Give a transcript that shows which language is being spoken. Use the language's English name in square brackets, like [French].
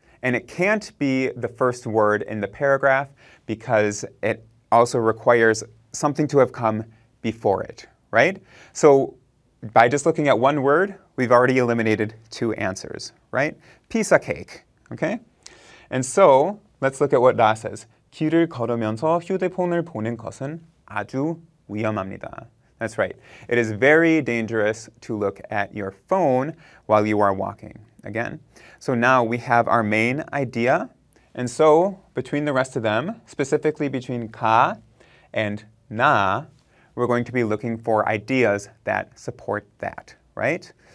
[English] And it can't be the first word in the paragraph because it also requires something to have come before it, right? So by just looking at one word, we've already eliminated two answers, right? Piece of cake, okay? And so, let's look at what 다 says. [Korean] 길을 걸으면서 휴대폰을 보는 것은 아주 위험합니다. [English] That's right. It is very dangerous to look at your phone while you are walking. Again, so now we have our main idea. And so, between the rest of them, specifically between 가 and 나, we're going to be looking for ideas that support that, right?